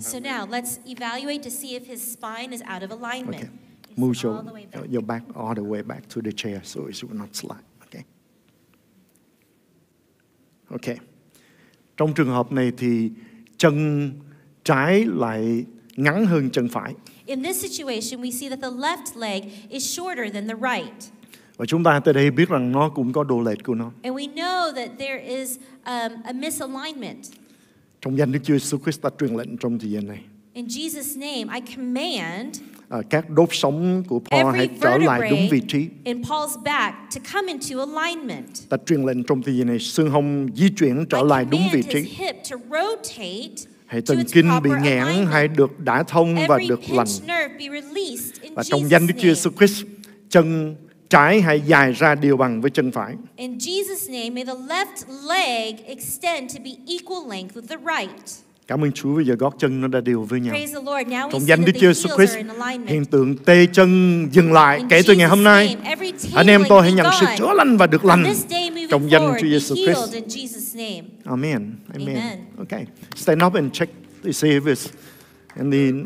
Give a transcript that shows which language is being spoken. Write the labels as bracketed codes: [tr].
[en] So now let's evaluate to see if his spine is out of alignment. Okay. Move your back all the way back to the chair so it will not slide. Okay. [vi] Trong trường hợp này thì chân trái lại ngắn hơn chân phải. [en] In this situation, we see that the left leg is shorter than the right. [vi] Và chúng ta tới đây biết rằng nó cũng có độ lệch của nó. [en] And we know that there is a misalignment. [vi] Trong danh Đức Chúa Jesus Christ, ta truyền lệnh trong thời gian này. [en] In Jesus' name, I command [vi] các đốt sống của Paul hãy trở lại đúng vị trí. [en] In Paul's back to come into alignment. [vi] Ta truyền lệnh trong thời gian này, xương hông di chuyển trở lại đúng vị trí. [en] I command his hip to rotate. [vi] Hệ thần kinh bị nghẽn hay được đã thông và được lành. Và trong danh Đức Chúa Jesus Christ, chân trái hãy dài ra đều bằng với chân phải. [en] In Jesus' name, may the left leg extend to be equal length with the right. [vi] Cảm ơn Chúa, bây giờ gót chân nó đã đều với nhau. [en] Praise the Lord. Now [vi] trong danh Đức Chúa Jesus Christ, hiện tượng tê chân dừng lại kể từ ngày hôm nay. Anh em tôi hãy nhận sự chữa lành và được lành trong danh Chúa Jesus Christ. Amen. Amen. Okay. [en] Stand up and check to see if it's in the